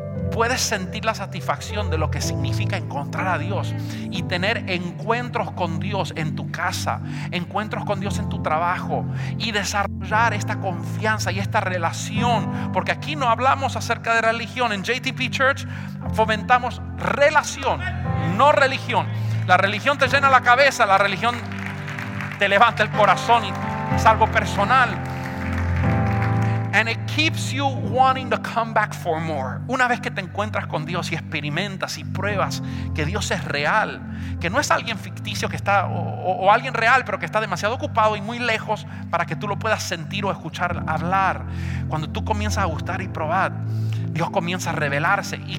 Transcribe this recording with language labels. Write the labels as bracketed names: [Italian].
[Spanish] puedes sentir la satisfacción de lo que significa encontrar a Dios y tener encuentros con Dios en tu casa, encuentros con Dios en tu trabajo, y desarrollar esta confianza y esta relación. Porque aquí no hablamos acerca de religión. En JTP Church fomentamos relación, no religión. La religión te llena la cabeza, la religión te levanta el corazón y es algo personal. [English] And it keeps you wanting to come back for more. [Spanish] Una vez que te encuentras con Dios y experimentas y pruebas que Dios es real, que no es alguien ficticio que está, o alguien real pero que está demasiado ocupado y muy lejos para que tú lo puedas sentir o escuchar hablar, cuando tú comienzas a gustar y probar, Dios comienza a revelarse.